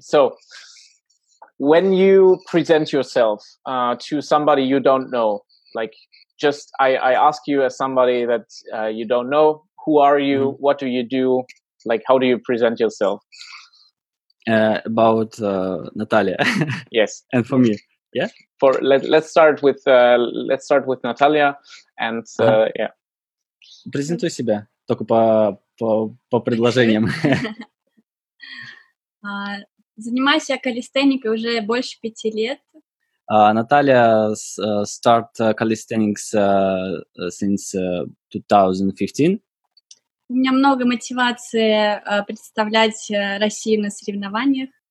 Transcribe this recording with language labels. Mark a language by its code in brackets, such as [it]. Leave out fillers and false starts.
[en] So, when you present yourself to somebody you don't know, like, just I ask you as somebody that you don't know, who are you? Mm-hmm. What do you do? Like, how do you present yourself? About Natalia. Yes. And for me. Yeah. Let's start with Natalia, and yeah. [ru] Презентуй себя только по предложениям. Занимаюсь я калистеникой уже больше 5 лет. [en] Наталья start calisthenics since 2015. [ru] У меня много мотивации представлять Россию на соревнованиях.